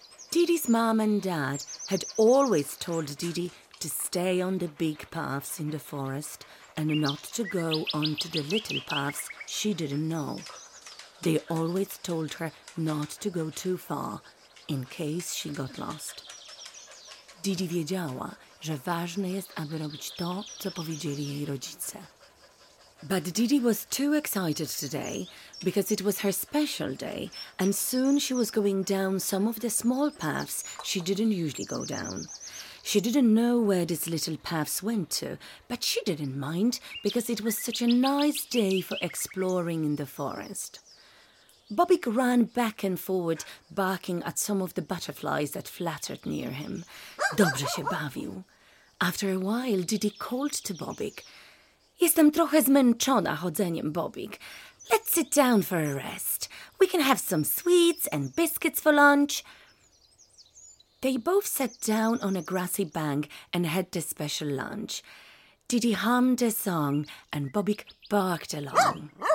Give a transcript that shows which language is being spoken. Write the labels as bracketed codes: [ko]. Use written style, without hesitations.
[en] Didi's mom and dad had always told Didi to stay on the big paths in the forest and not to go onto the little paths she didn't know. They always told her not to go too far in case she got lost. [pl] Didi wiedziała, że ważne jest, aby robić to, co powiedzieli jej rodzice. [en] But Didi was too excited today because it was her special day and soon she was going down some of the small paths she didn't usually go down. She didn't know where these little paths went to, but she didn't mind because it was such a nice day for exploring in the forest. Bobbik ran back and forward, barking at some of the butterflies that fluttered near him. [pl] Dobrze się bawił. [en] After a while, Didi called to Bobbik. [pl] Jestem trochę zmęczona chodzeniem, Bobbik. [en] Let's sit down for a rest. We can have some sweets and biscuits for lunch. They both sat down on a grassy bank and had the special lunch. Didi hummed a song and Bobbik barked along.